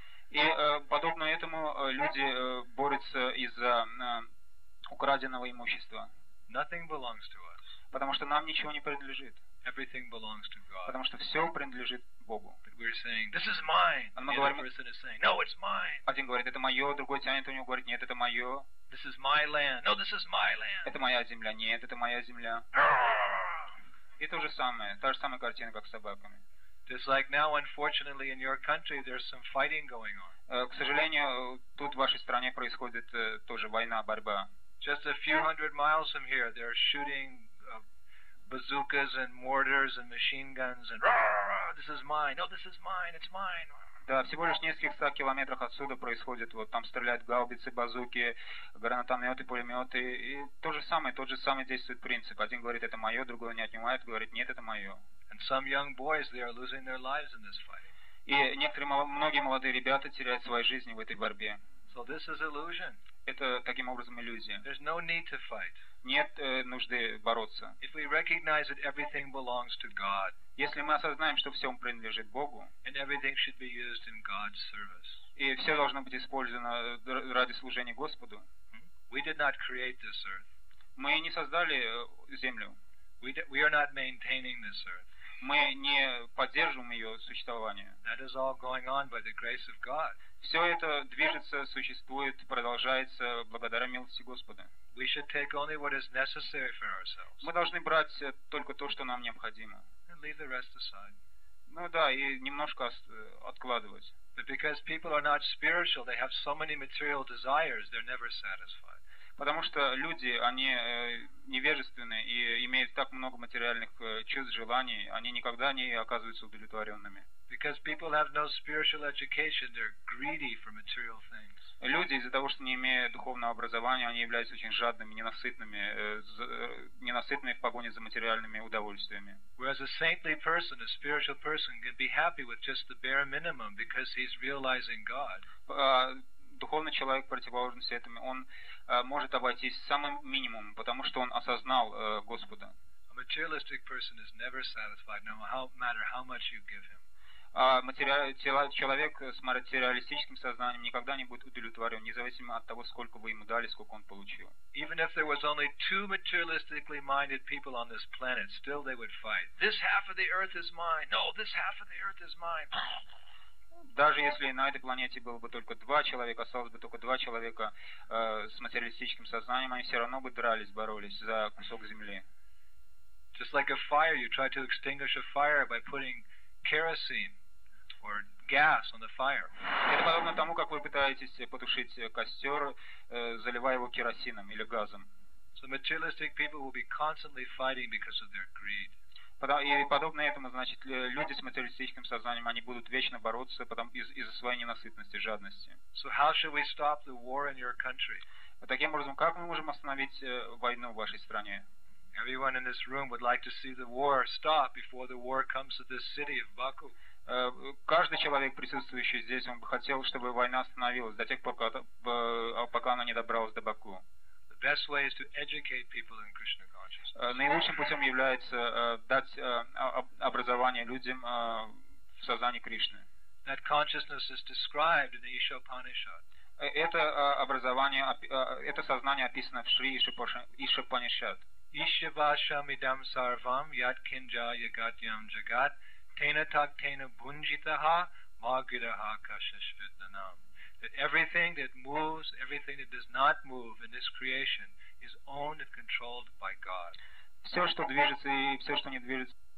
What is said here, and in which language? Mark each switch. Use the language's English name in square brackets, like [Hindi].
[Russian] И подобно этому люди борются из-за украденного имущества. [English] Nothing belongs to us. [Russian] Потому что нам ничего не принадлежит. [English] Everything belongs to God. [Russian] Потому что все принадлежит Богу. [English] But we're saying, this is mine. And the other person is saying, no, it's mine. [Russian] Один говорит, это мое, другой тянет у него, говорит, нет, это мое. [English] This is my land. No, this is my land. [Russian] Это моя земля, нет, это моя земля. И то же самое, та же самая картина, как с собаками. [English] Just like now, unfortunately, in your country, there's some fighting going on. [Russian] К сожалению, тут в вашей стране происходит тоже война, борьба. [English] Just a few hundred miles from here, they're shooting bazookas and mortars and machine guns and this is mine. No, this is mine. It's mine. [Russian] Да, всего лишь в нескольких 100 километрах отсюда происходит, вот там стреляют гаубицы, базуки, гранатометы, пулеметы, и тот же самый действует принцип. Один говорит, это мое, другой не отнимает, говорит, нет, это мое. [English] And some young boys, they are losing their lives in this fight. [Russian] И некоторые, многие молодые ребята теряют свои жизни в этой борьбе. [English] So this is illusion. [Russian] Это таким образом иллюзия. [English] There's no need to fight. [Russian] Нет нужды бороться. [English] If we recognize that everything belongs to God, [Russian] если мы осознаем, что все принадлежит Богу, [English] and everything should be used in God's service, [Russian] и все должно быть использовано ради служения Господу, [English] we did not create this earth. [Russian] Мы не создали землю. [English] We are not maintaining this earth. [Russian] Мы не поддерживаем ее существование. [English] That is all going on by the grace of God. [Russian] Все это движется, существует, продолжается благодаря милости Господа. [English] We should take only what is necessary for ourselves. [Russian] Мы должны брать только то, что нам необходимо. [English] And leave the rest aside. [Russian] Ну да, и немножко откладывать. [English] But because people are not spiritual, they have so many material desires, they're never satisfied. [Russian] Потому что люди, они невежественны и имеют так много материальных чувств, желаний, они никогда не оказываются удовлетворенными. [English] Because people have no spiritual education, they're greedy for material things. [Russian] Люди из-за того, что не имея духовного образования, они являются очень жадными, ненасытными, ненасытными в погоне за материальными удовольствиями. [English] Whereas a saintly person, a spiritual person, can be happy with just the bare minimum because he's realizing God. [Russian] Духовный человек, противоположность этому, он может обойтись самым минимумом, потому что он осознал Господа. [English] A materialistic person is never satisfied, no matter how much you give him. [Russian] Человек с материалистическим сознанием никогда не будет удовлетворен, независимо от того, сколько вы ему дали, сколько он получил. [English] Even if there was only two materialistically minded people on this planet, still they would fight. This half of the earth is mine. No, this half of the earth is mine. [Russian] Даже если на этой планете было бы только два человека, осталось бы только два человека с материалистическим сознанием, они все равно бы дрались, боролись за кусок земли. [English] Just like a fire, you try to extinguish a fire by putting kerosene or gas on the fire. [Russian] Это подобно тому, как вы пытаетесь потушить костер, заливая его керосином или газом. [English] So materialistic people will be constantly fighting because of their greed. [Russian] И подобно этому, значит, люди с материалистическим сознанием, они будут вечно бороться из-за своей ненасытности, жадности. [English] So how should we stop the war in your country? [Russian] Таким образом, как мы можем остановить войну в вашей стране? [English] Everyone in this room would like to see the war stop before the war comes to this city of Baku. [Russian] Каждый человек, присутствующий здесь, он бы хотел, чтобы война остановилась до тех пор, пока она не добралась до Баку. [English] The best way is to educate people in Krishna consciousness. [Russian] Наилучшим путем является дать образование людям в сознании Кришны. [English] That consciousness is described in the Ishopanishad. [Russian] Это образование, это сознание описано в Шри Ишопанишад. [Sanskrit] Ishvasham idam sarvam yat kinja yagatyam jagat tena tak tena bunjitaha magiraha kashashvidanam. [English] That everything that moves, everything that does not move in this creation is owned and controlled by God. [Russian] Все, что движется и все, что не движется.